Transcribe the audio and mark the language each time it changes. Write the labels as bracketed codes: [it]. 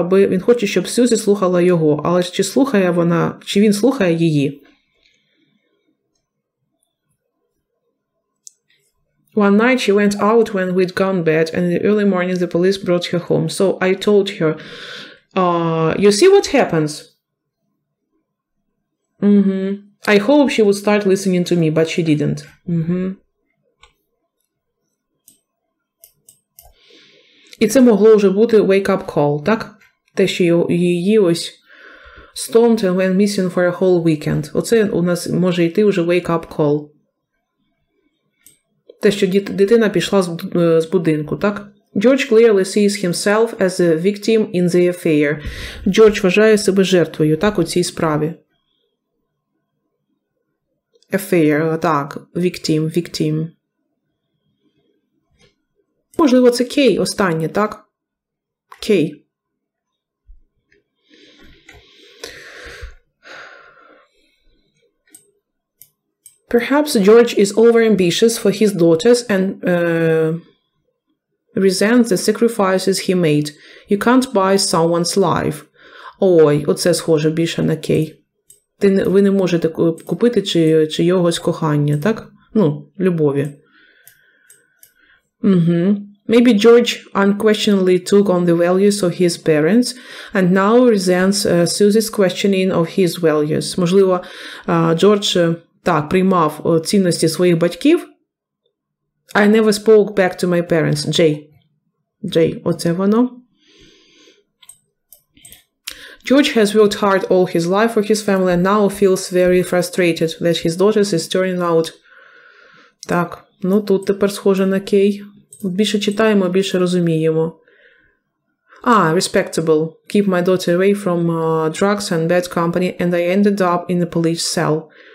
[uk] Він хоче, щоб Сюзі слухала його, але чи слухає вона, чи він слухає її? [en] One night she went out when we'd gone bed, and in the early morning the police brought her home. So, I told her, you see what happens? Mm-hmm. I hope she would start listening to me, but she didn't. Mm-hmm. [uk] І це могло вже бути wake-up call, так? Те, що її ось [en] stoned and went missing for a whole weekend. [uk] Оце у нас може йти вже wake-up call. Те, що дитина пішла з будинку, так? [en] George clearly sees himself as a victim in the affair. [uk] George вважає себе жертвою, так, у цій справі. [en] Affair, так, victim. [uk] Можливо, це кей останнє, так? Кей. [en] Perhaps George is overambitious for his daughters and resents the sacrifices he made. You can't buy someone's life. [uk] Ой, оце схоже більше на кей. Ви не можете купити чиєгось кохання, так? Ну, любові. Mm-hmm. [en] Maybe George unquestionably took on the values of his parents and now resents Susie's questioning of his values. [uk] Можливо, Джордж так приймав цінності своїх батьків. [en] I never spoke back to my parents. [uk] Джей, оце воно. [en] George has worked hard all his life for his family and now feels very frustrated that his daughters is turning out. [uk] Так, ну тут тепер схоже на кей. Більше читаємо, більше розуміємо. А, respectable. [en] Keep my daughter away from drugs and bad company and I ended up in the police cell.